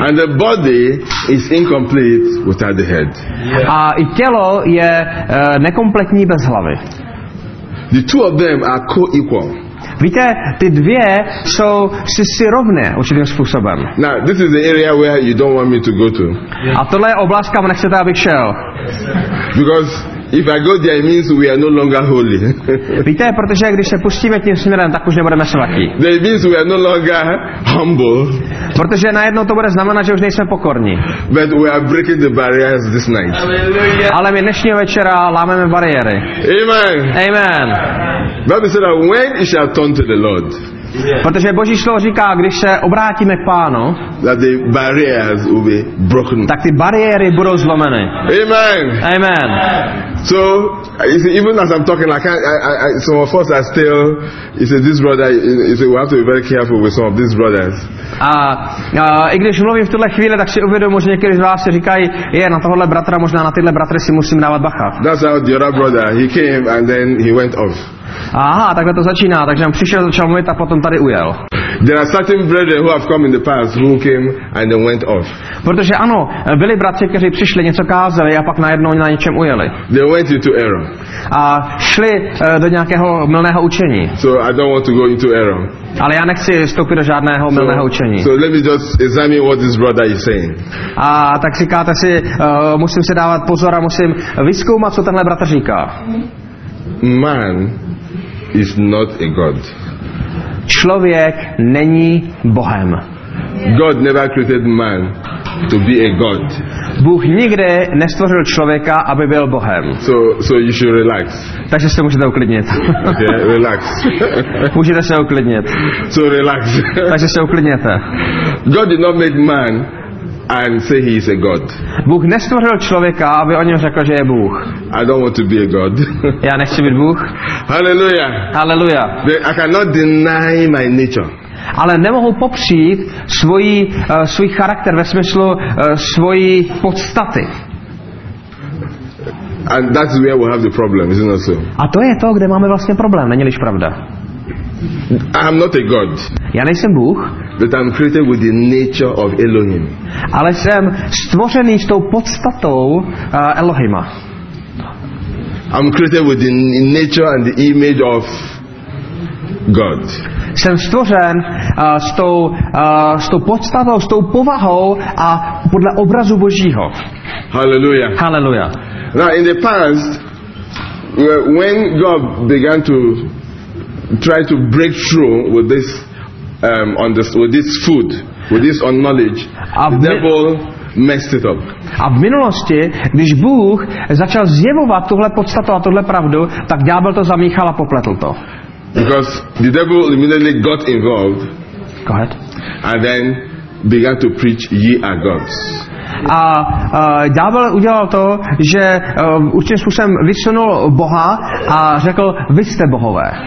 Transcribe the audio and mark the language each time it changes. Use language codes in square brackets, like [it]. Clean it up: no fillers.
[en] And the body is incomplete without the head. [cs] A i tělo je nekompletní bez hlavy. [en] The two of them are co-equal. [cs] Víte, ty dvě jsou si rovné určitým způsobem. [en] Now, this is the area where you don't want me to go to. [cs] A tohle je oblast, kam nechcete, abych šel. [en] Because if I go there, it means we are no longer holy. [cs] Víte, protože když se pustíme tím směrem, tak už nebudeme svatí. [en] It means we are no longer humble. [cs] Protože najednou to bude znamenat, že už nejsme pokorní. [en] But we are breaking the barriers this night. [cs] Ale my dnešního večera lámeme bariéry. [en] Amen. [cs] Amen. [en] Bible said that when you shall turn to the Lord. [cs] Protože Boží slovo říká, když se obrátíme k Pánu, [en] that the barriers will be broken. [cs] Tak ty bariéry budou zlomeny. [en] Amen. [cs] Amen. [en] So, you see, even as I'm talking, I some of us are still, you see, this brother, you see, we have to be very careful with some of these brothers. [cs] A i když mluvím v tuhle chvíli, tak si uvědomuji, že někteří z vás si říkají, je, na tohle bratra, možná na tyhle bratry si musím dávat bacha. [en] That's how the other brother, he came and then he went off. [cs] Aha, takhle to začíná, takže on přišel, začal mluvit a potom tady ujel. [en] There are certain brethren who have come in the past who came and then went off. [cs] Protože ano, byli bratři, kteří přišli, něco kázali a pak najednou na něčem ujeli. [en] They went into error. [cs] A šli do nějakého mylného učení. [en] So I don't want to go into error. [cs] Ale já nechci vstoupit do žádného mylného učení. [en] So let me just examine what this brother is saying. [cs] A tak říkáte si, musím si dávat pozor a musím vyzkoumat, co tenhle bratr říká. [en] Man is not a god. [cs] Člověk není bohem. [en] God never created man to be a god. [cs] Bůh nikdy nestvořil člověka, aby byl bohem. [en] So you should relax. [cs] Takže se můžete uklidnit. [en] Okay, relax. [cs] Můžete se uklidnit. [en] So relax. [cs] Takže se uklidněte. [en] God did not make man and say he is a god. [cs] Bůh nestvořil člověka, aby o něm řekl, že je Bůh. [en] I don't want to be a god. [cs] Já nechci být Bůh. [en] Hallelujah. [cs] Hallelujah. [en] I cannot deny my nature. [cs] Ale nemohu popřít svůj charakter ve smyslu svojí podstaty. [en] And that's where we have the problem, isn't it so? [cs] A to je to, kde máme vlastně problém, není-liž pravda? [en] I am not a god. [cs] Já nejsem Bůh. [en] But I'm created with the nature of Elohim. [cs] Ale jsem stvořený s tou podstatou Elohima. [en] I'm created with the nature and the image of God. [cs] Jsem stvořen s tou podstatou, s tou povahou a podle obrazu Božího. [en] Hallelujah. [cs] Hallelujah. [en] Now in the past, when God began to try to break through with this with this food, with this knowledge, the devil messed it up. [cs] A v minulosti, když Bůh začal zjevovat tuhle podstatu a tuhle pravdu, tak ďábel to zamíchal a popletl to. [en] Because the devil immediately got involved. Go ahead. And then began to preach, ye are gods. [cs] A ďábel udělal to, že určitým způsobem vysunul Boha a řekl, vy jste bohové.